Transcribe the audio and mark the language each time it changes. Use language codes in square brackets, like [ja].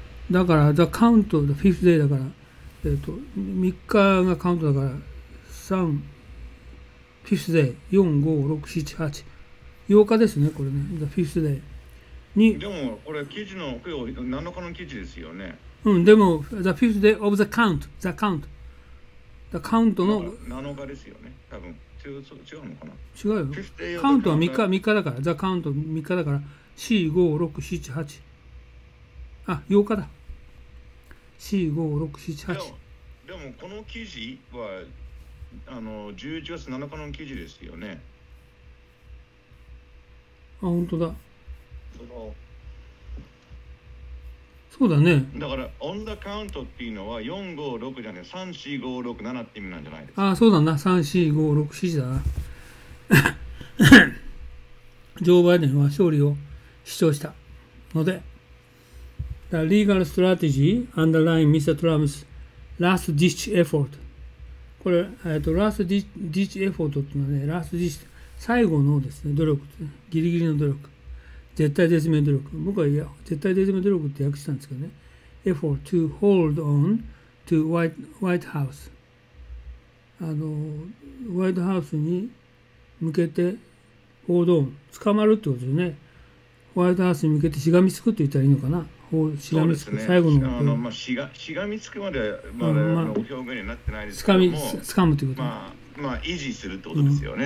[ja] だから the count、 [en] the fifth day [ja] だから、3日がカウントだから、3 fifth day、 4 5 6 7 8、 8日ですね、これね、 the fifth day に。でもこれ記事の何らかの記事ですよね。うん、でも [en] the fifth day of the count、 [ja] the countカウントの 7日ですよね、多分。違うのかな。違うよ。カウントは3日だから、ザ・カウント3日だから、4、5、6、7、8。あ、8日だ。4、5、6、7、8。でもこの記事は11月7日の記事ですよね。あ、本当だ。そうだね。だから、オンダカウントっていうのは、4、5、6じゃね、3、4、5、6、7って意味なんじゃないですか。ああ、そうだな。3、4、5、6、7だな。ジョー・バイデンは勝利を主張したので、 [en] The legal strategy underlying Mr. Trump's last ditch effort。 [ja] これ、last ditch effort っていうのはね、last ditch、最後のですね、努力、ギリギリの努力。絶対絶命努力。僕はいや、絶対絶命努力って訳したんですけどね。 [en] Effort to hold on to White House。 [ja] White House に向けて、hold on。捕まるってことですよね。White House に向けてしがみつくって言ったらいいのかな。しがみつく、ね、最後の。しがみつくまでは、まだ、表現になってないですけども。掴むってこと、ね。まあ、維持するってことですよね。